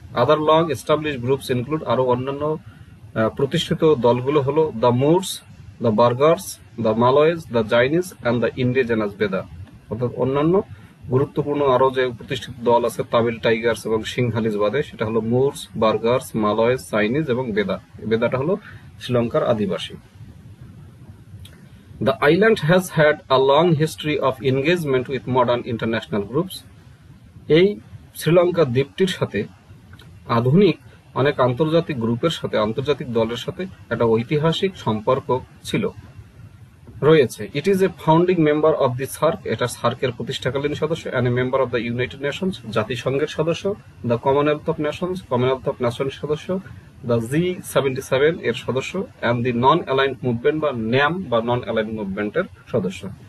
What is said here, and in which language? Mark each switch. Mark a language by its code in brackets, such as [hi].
[en] other long establish groups include, [bn] আরো অন্যান্য প্রতিষ্ঠিত দলগুলো হল [en] The Moors, the Burghers, the Malays, the Chinese and the indigenous Vedda. [bn] অর্থাৎ অন্যান্য গুরুত্বপূর্ণ আরো যে প্রতিষ্ঠিত দল আছে তামিল টাইগার্স এবং সিংহালিস বাদে, সেটা হলো মুরস, বার্গার্স, মালয়েজ, চাইনিজ এবং বেদা। বেদাটা হলো শ্রীলঙ্কার আদিবাসী। [en] The island has had a long history of engagement with modern international groups. [bn] এই শ্রীলঙ্কা দ্বীপটির সাথে আধুনিক অনেক আন্তর্জাতিক গ্রুপের সাথে, আন্তর্জাতিক দলের সাথে একটা ঐতিহাসিক সম্পর্ক ছিল। রয়েছে। [en] it is a founding member of the SAARC, [bn] এটা সার্কের প্রতিষ্ঠাকালীন সদস্য, [en] and a member of the United Nations, [bn] জাতিসংঘের সদস্য, [en] the Commonwealth of Nations, [bn] Commonwealth of nation সদস্য, [en] the G77 এর সদস্য, and the Non Aligned Movement [bn] বা ন্যাম বা নন অ্যালাইন্ড মুভমেন্টের সদস্য।